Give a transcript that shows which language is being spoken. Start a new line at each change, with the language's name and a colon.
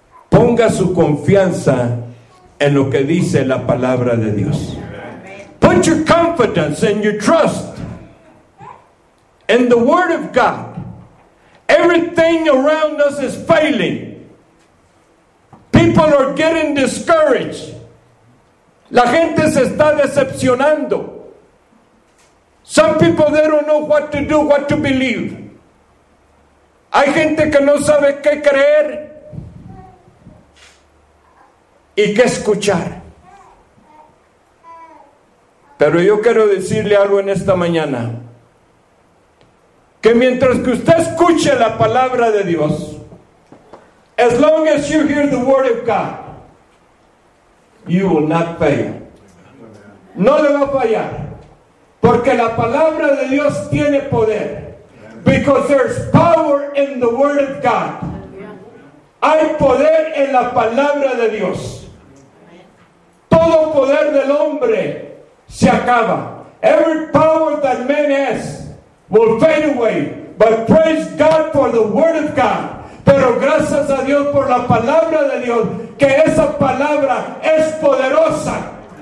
Spanish: Ponga su confianza en lo que dice la palabra de Dios.
English: Put your confidence and your trust in the Word of God. Everything around us is failing. People are getting discouraged.
Spanish: La gente se está decepcionando.
English: Some people, they don't know what to do, what to believe.
Spanish: Hay gente que no sabe qué creer y qué escuchar. Pero yo quiero decirle algo en esta mañana. Que mientras que usted escuche la palabra de Dios,
English: as long as you hear the word of God, you will not fail.
Spanish: No le va a fallar. Porque la palabra de Dios tiene poder.
English: Because there's power in the word of God.
Spanish: Hay poder en la palabra de Dios. Todo poder del hombre se acaba.
English: Every power that man has will fade away, but praise God for the word of God.
Spanish: Pero gracias a Dios por la palabra de Dios, que esa palabra es poderosa.